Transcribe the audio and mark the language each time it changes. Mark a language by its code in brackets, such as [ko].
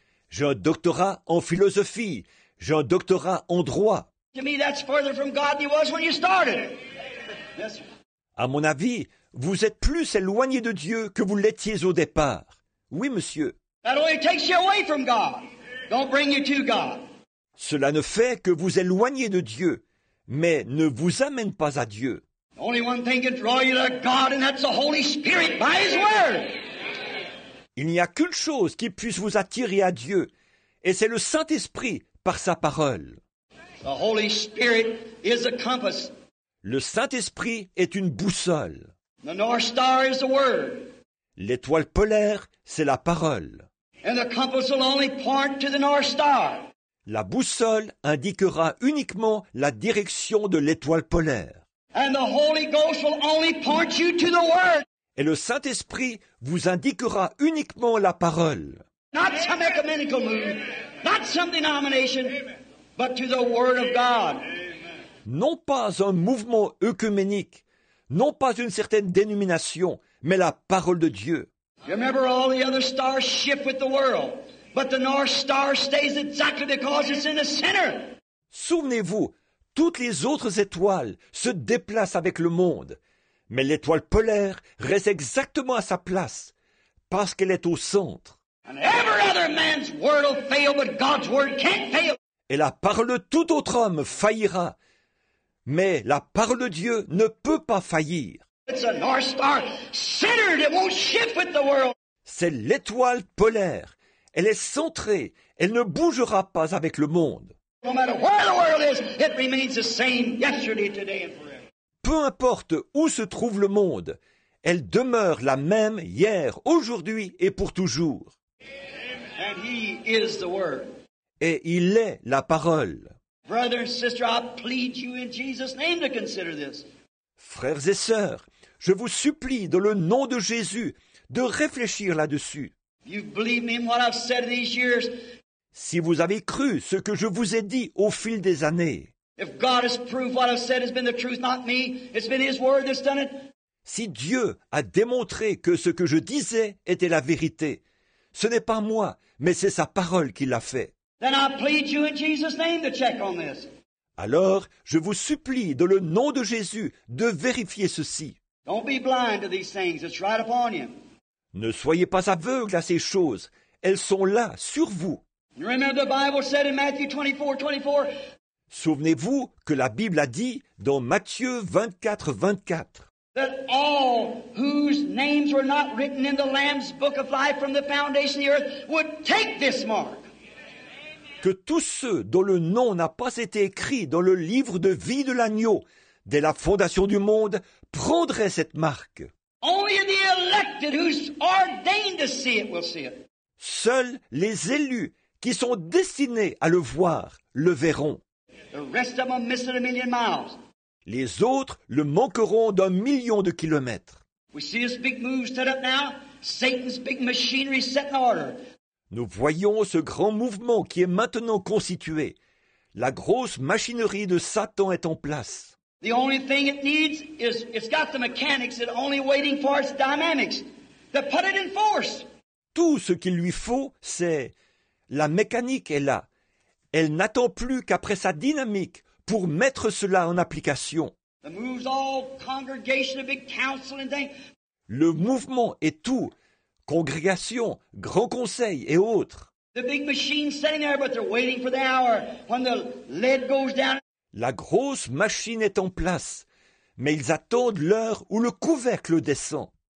[fr] J'ai un doctorat en philosophie, j'ai un doctorat en droit. [en] To me, that's further from God than you was when you started. Yes, sir. [fr] À mon avis, vous êtes plus éloigné de Dieu que vous l'étiez au départ. Oui, monsieur. [en] That only takes you away from God. Don't bring you to God. [fr] Cela ne fait que vous éloigner de Dieu, mais ne vous amène pas à Dieu. [en] The only one thing can draw you to God, and that's the Holy Spirit by His Word. [fr] Il n'y a qu'une chose qui puisse vous attirer à Dieu, et c'est le Saint-Esprit par sa parole. [en] The Holy Spirit is a compass. [fr] Le Saint-Esprit est une boussole. [en] The North Star is the Word. [fr] L'étoile polaire, c'est la parole. [en] And the compass will only point to the North Star. [fr] La boussole indiquera uniquement la direction de l'étoile polaire. [en] And the Holy Ghost will only point you to the Word. [fr] Et le Saint-Esprit vous indiquera uniquement la parole. [en] Not some ecumenical move, not some denomination, but to the Word of God. [fr] Non pas un mouvement œcuménique, non pas une certaine dénomination, mais la parole de Dieu. [en] You remember all the other stars shift with the world, but the North Star stays exactly because it's in the center. [fr] Souvenez-vous, toutes les autres étoiles se déplacent avec le monde, mais l'étoile polaire reste exactement à sa place, parce qu'elle est au centre. [en] And every other man's word will fail, but God's word can't fail. [fr] Et la parole de tout autre homme faillira, mais la parole de Dieu ne peut pas faillir. [en] It's a North Star centered, it won't shift with the world. [fr] C'est l'étoile polaire. Elle est centrée. Elle ne bougera pas avec le monde. [en] No matter where the world is, it remains the same yesterday, today, and forever. [fr] Peu importe où se trouve le monde, elle demeure la même hier, aujourd'hui et pour toujours. [en] And he is the word. [fr] Et il est la parole. [en] Brother and sister, I plead you in Jesus' name to consider this. [fr] Frères et sœurs, je vous supplie dans le nom de Jésus de réfléchir là-dessus. [en] You believe me in what I've said these years. [fr] Si vous avez cru ce que je vous ai dit au fil des années. [en] If God has proved what I've said has been the truth, not me, it's been His word that's done it. [fr] Si Dieu a démontré que ce que je disais était la vérité, ce n'est pas moi, mais c'est sa parole qui l'a fait. [en] Then I plead you in Jesus' name to check on this. [fr] Alors, je vous supplie dans le nom de Jésus de vérifier ceci. [en] Don't be blind to these things. It's right upon you. [fr] Ne soyez pas aveugle à ces choses. Elles sont là, sur vous. [en] You remember the Bible said in Matthew 24, 24. [fr] Souvenez-vous que la Bible a dit dans Matthieu 24, 24. [en] That all whose names were not written in the Lamb's book of life from the foundation of the earth would take this mark. [fr] Que tous ceux dont le nom n'a pas été écrit dans le livre de vie de l'agneau, dès la fondation du monde, prendrait cette marque. [en] Only the elected who's ordained to see it will see it. [fr] Seuls les élus qui sont destinés à le voir le verront. [en] The rest of them miss it a million miles. [fr] Les autres le manqueront d'un million de kilomètres. [en] We see this big move set up now. Satan's big machinery set in order. [fr] Nous voyons ce grand mouvement qui est maintenant constitué. La grosse machinerie de Satan est en place. [en] The only thing it needs is it's got the mechanics that are only waiting for its dynamics to put it in force. [fr] Tout ce qu'il lui faut, c'est la mécanique est là. Elle n'attend plus qu'après sa dynamique pour mettre cela en application. [en] The move's all congregation, a big council and things. [fr] Le mouvement est tout. Congrégation, grand conseil et autres. [en] The big machine sitting there, but they're waiting for the hour when the lead goes down. [fr] La grosse machine est en place, mais ils attendent l'heure où le couvercle descend.